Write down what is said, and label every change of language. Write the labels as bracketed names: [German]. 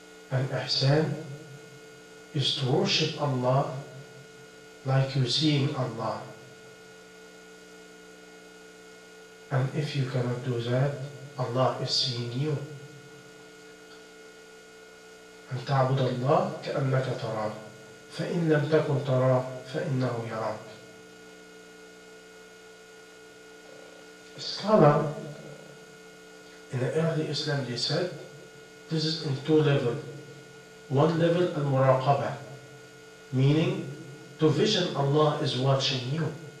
[English] And ihsan is to worship Allah like you're seeing Allah. And if you cannot do that, Allah is seeing you. [Arabic] أن تعبد الله كأنك تراه فإن لم تكن تراه فإنه يراك. [English] Scholar in the early Islam, they said this is in two levels. One level, المراقبة, meaning to vision Allah is watching you.